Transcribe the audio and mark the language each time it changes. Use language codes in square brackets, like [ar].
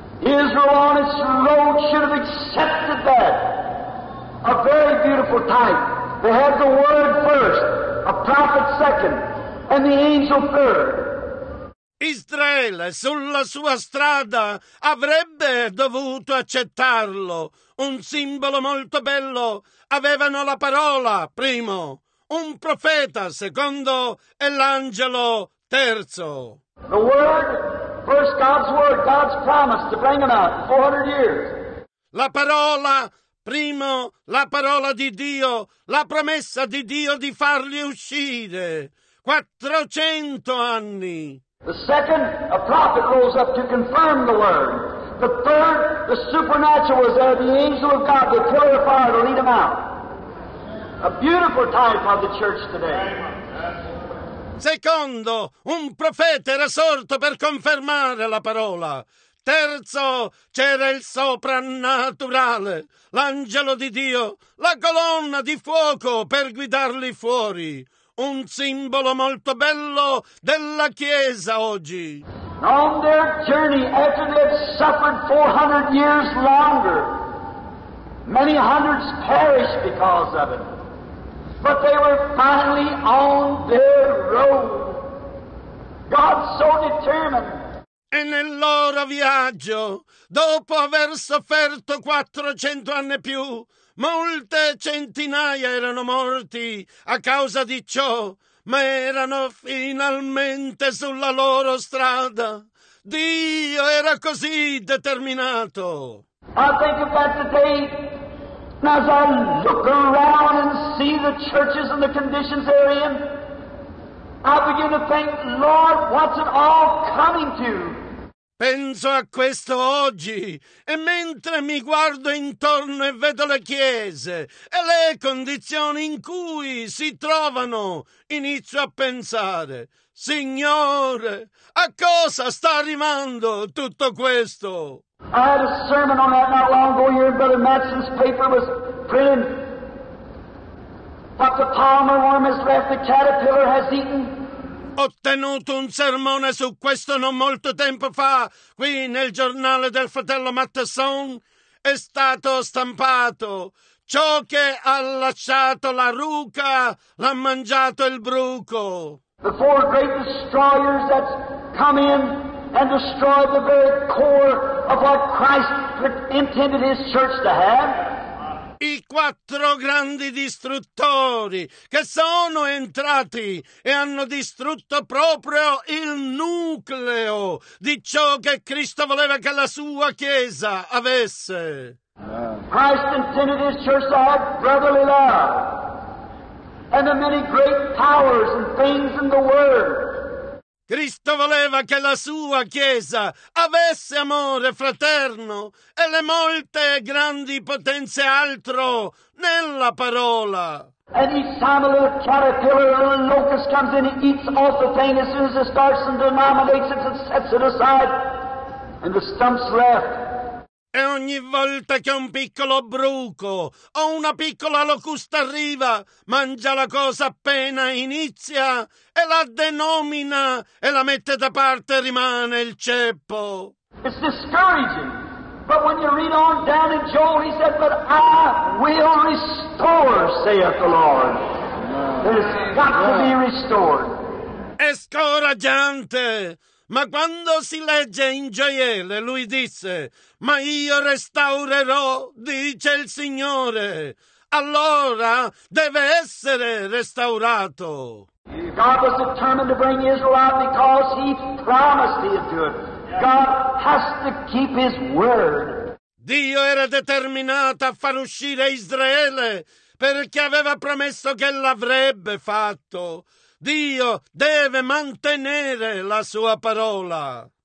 [en] Israel on its road should have accepted that. A very beautiful type. They had the word first, a prophet second, and the angel third. [it] Israele sulla sua strada avrebbe dovuto accettarlo. Un simbolo molto bello. Avevano la parola, primo. Un profeta, secondo. E l'angelo, terzo. [en] The word, first God's word, God's promise to bring him out, 400 years. [it] La parola, primo, la parola di Dio, la promessa di Dio di farli uscire. 400 anni. [en] The second, a prophet rose up to confirm the word. The third, the supernatural was there, the angel of God, the pillar of fire to lead him out. A beautiful type of the church today. [it] Secondo, un profeta era sorto per confermare la parola. Terzo, c'era il soprannaturale, l'angelo di Dio, la colonna di fuoco per guidarli fuori. Un simbolo molto bello della Chiesa oggi. [en] On their journey, after they had suffered 400 years longer, many hundreds perished because of it. But they were finally on their road. God so determined. [it] E nel loro viaggio, dopo aver sofferto 400 anni più, molte centinaia erano morti a causa di ciò, ma erano finalmente sulla loro strada. Dio era così determinato. [en] I think of that today. And as I look around and see the churches and the conditions they're in, I begin to think, Lord, what's it all coming to? [it] Penso a questo oggi, e mentre mi guardo intorno e vedo le chiese e le condizioni in cui si trovano, inizio a pensare, Signore, a cosa sta arrivando tutto questo? [en] I had a sermon on that not long ago here, Brother Madsen's paper was printed. What the palmer worm has left, the caterpillar has eaten. [it] Ho tenuto un sermone su questo non molto tempo fa, qui nel giornale del fratello Matteson. È stato stampato. Ciò che ha lasciato la ruca l'ha mangiato il bruco. [en] The four great destroyers that come in and destroy the very core of what Christ intended his church to have. [it] I quattro grandi distruttori che sono entrati e hanno distrutto proprio il nucleo di ciò che Cristo voleva che la sua Chiesa avesse. [en] Christ intended his church to have brotherly love and the many great powers and things in the world. [it] Cristo voleva che la sua Chiesa avesse amore fraterno e le molte grandi potenze altro nella parola. [en] And each time a little caterpillar or a locust comes in, it eats off the thing as soon as it starts and denominates it and sets it aside and the stump's left. [it] E ogni volta che un piccolo bruco o una piccola locusta arriva, mangia la cosa appena inizia e la denomina e la mette da parte e rimane il ceppo. [en] It's discouraging, but when you read on down in Joel, he said, but I will restore, saith the Lord. There's got to be restored. [it] È scoraggiante. Ma quando si legge in Gioiele, lui disse, ma io restaurerò, dice il Signore, allora deve essere restaurato. [en] God was determined to bring Israel out because he promised he'd do it. God has to keep his word. [it] Dio era determinato a far uscire Israele perché aveva promesso che l'avrebbe fatto. Dio deve mantenere la sua parola.